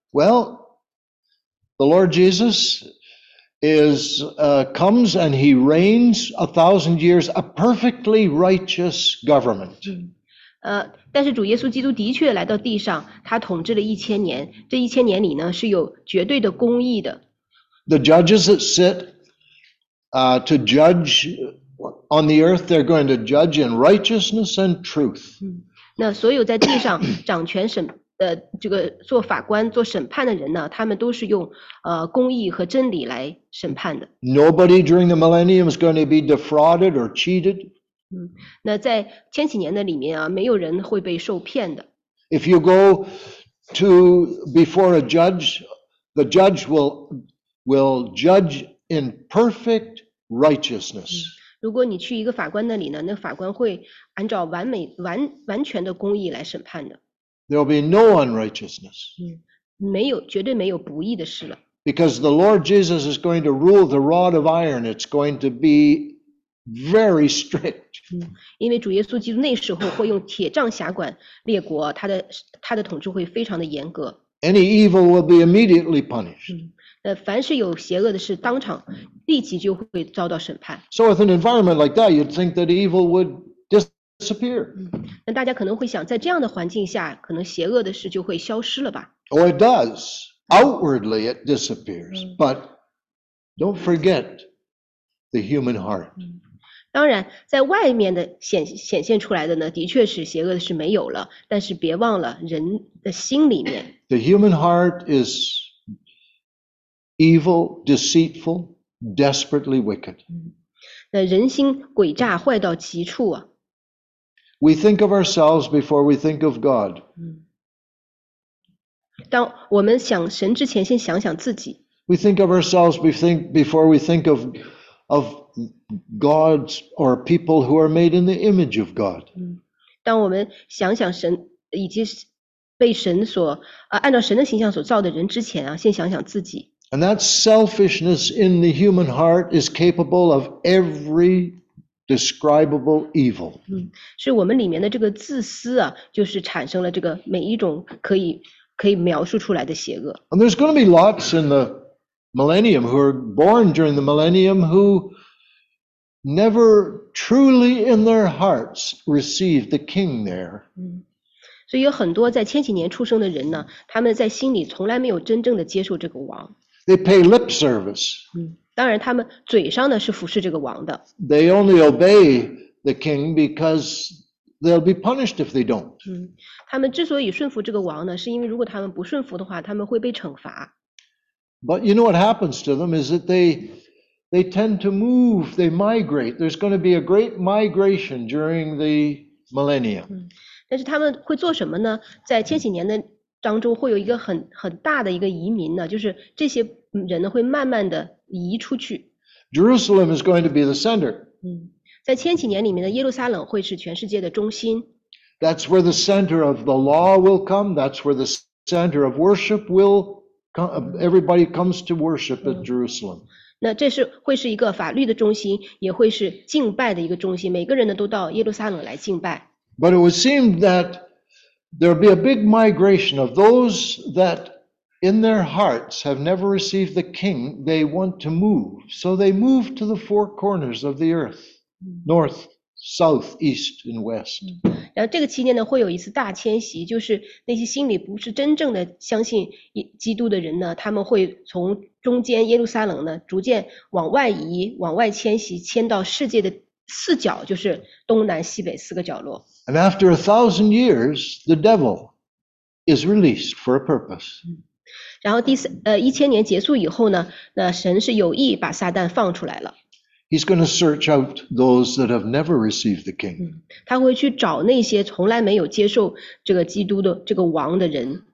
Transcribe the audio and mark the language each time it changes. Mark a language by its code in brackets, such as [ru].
[en] Well, the Lord Jesus is, comes and he reigns 1,000 years, a perfectly righteous government. [zh] 但是主耶稣基督的确来到地上，他统治了一千年，这一千年里呢，是有绝对的公义的。 [en] The judges that sit, to judge on the earth, they're going to judge in righteousness and truth. [zh] 那所有在地上掌权审这个做法官做审判的人呢，他们都是用公义和真理来审判的。 [en] Nobody during the millennium is going to be defrauded or cheated. [zh] 那在千禧年的里面啊，没有人会被受骗的。 [en] If you go to before a judge, the judge will judge in perfect righteousness. [zh] 如果你去一个法官那里呢，那法官会按照完全的公义来审判的。 [en] There will be no unrighteousness. [zh] 没有，绝对没有不义的事了。 [en] Because the Lord Jesus is going to rule the rod of iron. It's going to be very strict. [zh] 因为主耶稣基督那时候会用铁杖辖管列国，他的统治会非常的严格。 [en] Any evil will be immediately punished. [zh] 凡是有邪恶的事，当场立即就会遭到审判。 [en] So with an environment like that, you'd think that evil would disappear. [zh] 那大家可能会想，在这样的环境下，可能邪恶的事就会消失了吧？ [en] Oh, it does. Outwardly, it disappears. But don't forget the human heart. [zh] 当然，在外面的显现出来的呢，的确是邪恶的事没有了。但是别忘了人的心里面。 [en] The human heart is evil, deceitful, desperately wicked. [zh] 那人心诡诈，坏到极处啊！ [en] We think of ourselves before we think of God. [zh] 当我们想神之前，先想想自己。 [en] We think of ourselves before we think of God's or people who are made in the image of God. [zh] 当我们想想神以及被神所按照神的形象所造的人之前啊，先想想自己。 [en] And that selfishness in the human heart is capable of every. Describable evil. [zh] 是我们里面的这个自私啊，就是产生了这个每一种可以描述出来的邪恶。 [en] And there's going to be lots in the millennium who are born during the millennium who never truly in their hearts received the king there. [zh] 所以有很多在千禧年出生的人呢，他们在心里从来没有真正的接受这个王。 [en] They pay lip service. [zh] 当然，他们嘴上呢是服侍这个王的。 [en] They only obey the king because they'll be punished if they don't. [zh] 他们之所以顺服这个王呢，是因为如果他们不顺服的话，他们会被惩罚。 [en] But you know what happens to them is that they tend to move, they migrate. There's going to be a great migration during the millennium. [zh] 但是他们会做什么呢？在千禧年的当中会有一个很大的一个移民呢，就是这些人呢会慢慢的移出去。 [en] Jerusalem is going to be the center. [zh] 在千禧年里面的耶路撒冷会是全世界的中心。 [en] That's where the center of the law will come. That's where the center of worship will come. Everybody comes to worship at Jerusalem. [zh] 那这是会是一个法律的中心，也会是敬拜的一个中心。每个人呢都到耶路撒冷来敬拜。 [en] But it would seem that. There'll be a big migration of those that in their hearts have never received the king they want to move. So they move to the four corners of the earth, north, south, east, and west. [zh] 然后这个期间呢会有一次大迁徙，就是那些心里不是真正的相信基督的人呢，他们会从中间耶路撒冷呢逐渐往外移，往外迁徙，迁到世界的四角，就是东南西北四个角落。 [en] And after 1,000 years, the devil is released for a purpose. [zh] 然后一千年结束以后呢，那神是有意把撒旦放出来了。 [en] He's going to search out those that have never received the king. [zh] 他会去找那些从来没有接受这个基督的这个王的人。